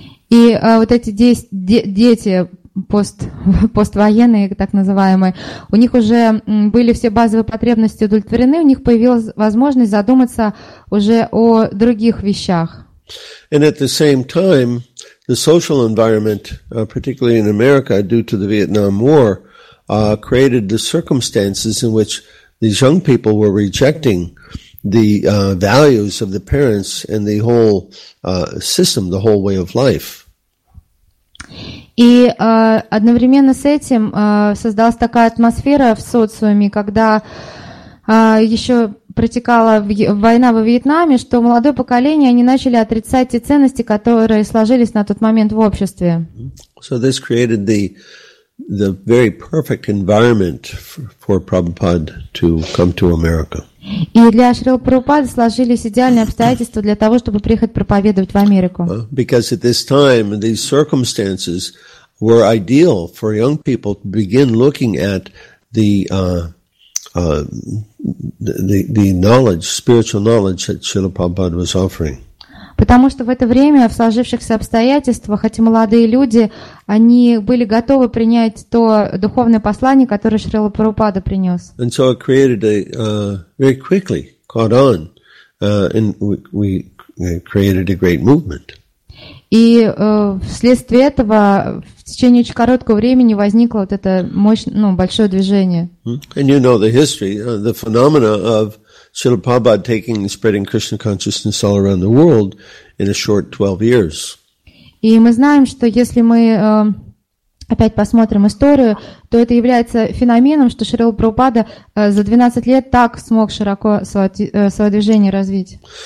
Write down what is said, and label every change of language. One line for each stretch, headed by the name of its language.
Russian: И вот эти дети поствоенные, так называемые, у них уже были все базовые потребности удовлетворены, у них появилась возможность задуматься уже о других вещах.
English: And at the same time, the social environment, particularly in America, due to the Vietnam War, created the circumstances in which these young people were rejecting the values of the parents and the whole system, the whole way of life.
Russian: И одновременно с этим создалась такая атмосфера в социуме, когда еще протекала война во Вьетнаме, что молодое поколение, они начали отрицать те ценности, которые сложились на тот момент в обществе.
English: So this created the very perfect environment for Prabhupada to come to America.
Russian: И для Шрилы Прабхупады сложились идеальные обстоятельства для того, чтобы приехать проповедовать в Америку.
English: Because at this time, these circumstances were ideal for young people to begin looking at the knowledge, spiritual knowledge that Srila Prabhupada was offering.
Russian: Потому что в это время, в сложившихся обстоятельствах, эти молодые люди, они были готовы принять то духовное послание, которое Шрила Прабхупада принес.
English: And so it created a very quickly caught on, and we created a great movement.
Russian: И вследствие этого в течение очень короткого времени возникло вот это мощное, ну, большое движение.
English: And you know the history, the phenomena of Srila Prabhupada taking and spreading Krishna consciousness all around the world in a short 12 years.
Russian: И мы знаем, что если мы опять посмотрим историю, то это является феноменом, что Шрила Прабхупада за 12 лет так смог широко свое движение развить.